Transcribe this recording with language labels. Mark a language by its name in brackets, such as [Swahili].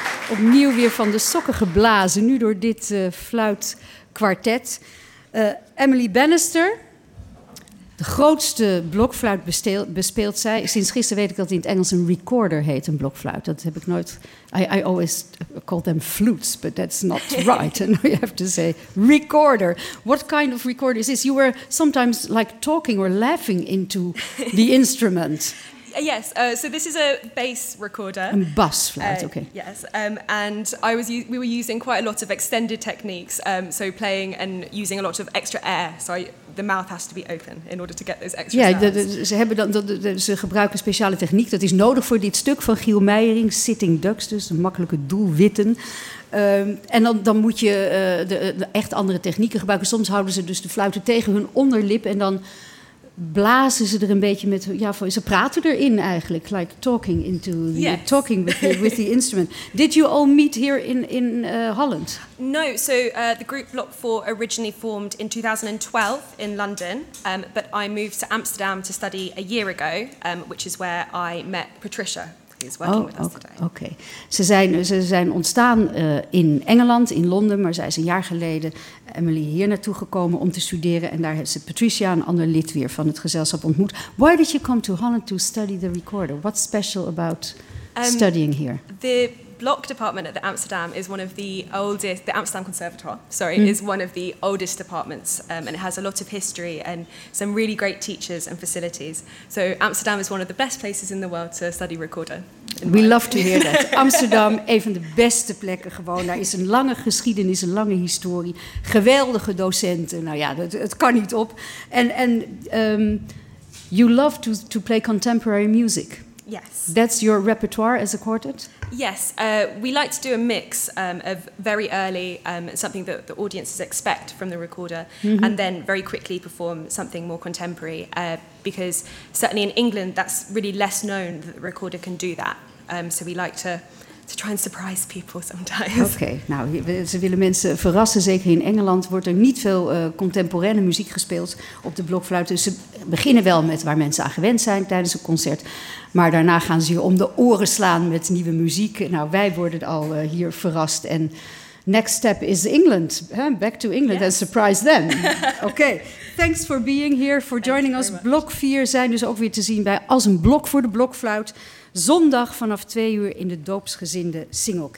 [Dutch] opnieuw weer van de sokken geblazen, nu door dit fluitkwartet. Emily Bannister, de grootste blokfluit bespeelt zij. Sinds gisteren weet ik dat in het Engels een recorder heet, een blokfluit. Dat heb ik nooit... [English] I always call them flutes, but that's not right. And you have to say recorder. What kind of recorder is this? You were sometimes like talking or laughing into the instrument. Yes, so this is a bass recorder. A bass flute, okay. Yes, and we were using quite a lot of extended techniques, so playing and using a lot of extra air. So the mouth has to be open in order to get those extra sounds. [Dutch] Ja, ze gebruiken speciale techniek. Dat is nodig voor dit stuk van Giel Meijering, Sitting Ducks, dus een makkelijke doelwitten. En dan moet je de echt andere technieken gebruiken. Soms houden ze dus de fluiten tegen hun onderlip en dan... blazen ze er een beetje met, ja, ze praten erin eigenlijk, [English] like talking into the, yes. Talking with the instrument. Did you all meet here in Holland? No, so the group Block 4 originally formed in 2012 in London, but I moved to Amsterdam to study a year ago, which is where I met Patricia, who is working with us today. Okay. [Dutch] Ze zijn ontstaan in Engeland, in Londen, maar zij is een jaar geleden... Emily hier naartoe gekomen om te studeren en daar heeft ze Patricia, een ander lid weer van het gezelschap, ontmoet. [English] Why did you come to Holland to study the recorder? What's special about studying here? The Block department at the Amsterdam is one of the oldest, the Amsterdam Conservatoire, mm. is one of the oldest departments and it has a lot of history and some really great teachers and facilities. So Amsterdam is one of the best places in the world to study recorder. We love to hear that. [Dutch] Amsterdam, een van de beste plekken gewoon. Daar is een lange geschiedenis, een lange historie. Geweldige docenten. Nou ja, het kan niet op. [English] And you love to play contemporary music. Yes. That's your repertoire as a quartet? Yes. We like to do a mix of very early, something that the audiences expect from the recorder, mm-hmm. and then very quickly perform something more contemporary. Because certainly in England, that's really less known that the recorder can do that. So we like to try and surprise people sometimes. [Dutch] Okay. Nou, ze willen mensen verrassen. Zeker in Engeland wordt er niet veel contemporaine muziek gespeeld op de blokfluit. Dus ze beginnen wel met waar mensen aan gewend zijn tijdens een concert. Maar daarna gaan ze je om de oren slaan met nieuwe muziek. Nou, wij worden al hier verrast. En [English] next step is England. [Dutch] Huh? [English] Back to England, yes. And surprise them. Okay. Thanks for being here, for joining us. [Dutch] Blok 4 zijn dus ook weer te zien bij Als een Blok voor de Blokfluit. Zondag vanaf 2 uur in de doopsgezinde Singlecare.